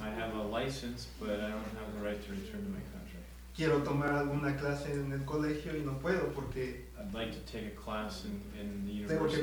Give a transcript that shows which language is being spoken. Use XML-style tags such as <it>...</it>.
<en>I have a license, but I don't have the right to return to my country.</en> <es>Quiero tomar alguna clase en el colegio y no puedo porque</es> <en>I'd like to take a class in the university.</en>